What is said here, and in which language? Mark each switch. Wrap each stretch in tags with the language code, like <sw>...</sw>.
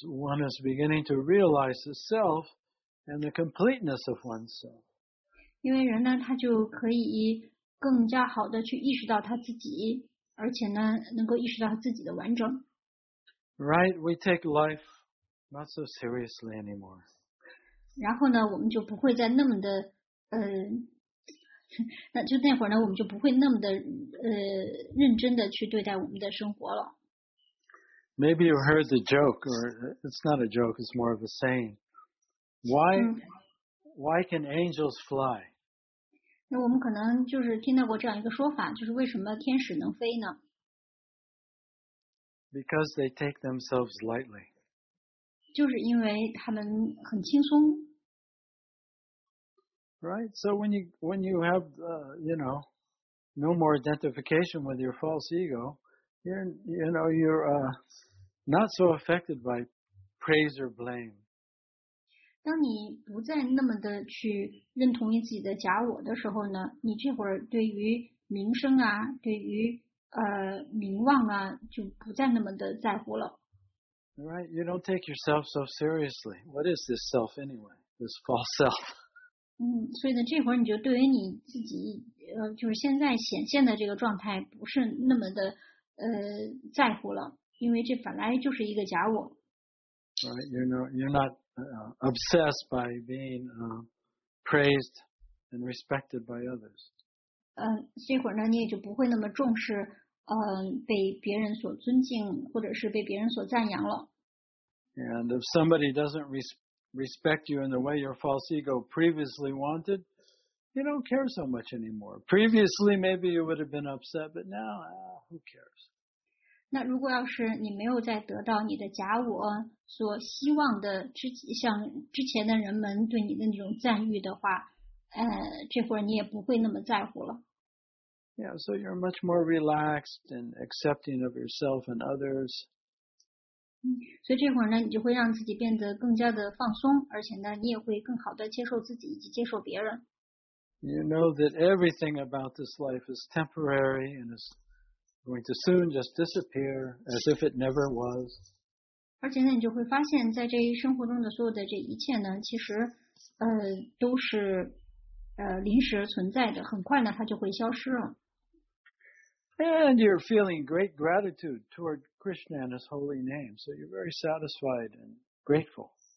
<en>one is beginning to realize the self and the completeness of oneself.</en> <zh>因为人呢，他就可以更加好的去意识到他自己，而且呢，能够意识到自己的完整。Right,</zh> <en>we take life not so seriously anymore.</en> <zh>然后呢，我们就不会再那么的。那就那会儿呢，我们就不会那么的认真的去对待我们的生活了。</zh> <en>Maybe you heard the joke, or it's not a joke, it's more of a saying. Why can angels fly?</en> <zh>那我们可能就是听到过这样一个说法，就是为什么天使能飞呢？</zh> <en>Because they take themselves lightly.</en> <zh>就是因为他们很轻松。</zh> <en>Right, so when you have, you know, no more identification with your false ego, you're not so affected by praise or blame.</en> <zh>当你不再那么的去认同于自己的假我的时候呢，你这会儿对于名声啊，对于名望啊，就不再那么的在乎了。</zh> <en>Right, you don't take yourself so seriously. What is this self anyway? This false self.</en> <zh>嗯，所以呢，这会儿你就对于你自己，就是现在显现的这个状态，不是那么的在乎了，因为这本来就是一个假我。</zh> <en>Right, you're not obsessed by being praised and respected by others.</en> <zh>这会儿呢，你也就不会那么重视，被别人所尊敬，或者是被别人所赞扬了。</zh> <en>And if somebody doesn't respect you in the way your false ego previously wanted, you don't care so much anymore. Previously, maybe you would have been upset, but now, who cares?</en> <zh>那如果要是你没有再得到你的假我所希望的像之前的人们对你的那种赞誉的话，这会儿你也不会那么在乎了。</zh> <en>Yeah, so you're much more relaxed and accepting of yourself and others.</en> <zh>嗯，所以这会儿呢，你就会让自己变得更加的放松，而且呢，你也会更好的接受自己以及接受别人。</zh> <en>You know that everything about this life is temporary and is going to soon just disappear as if it never was.</en> <zh>而且呢，你就会发现，在这一生活中的所有的这一切呢，其实，都是，临时存在的，很快呢，它就会消失了。</zh> <en>And you're feeling great gratitude toward Krishna and his holy name, so you're very satisfied and grateful.</en>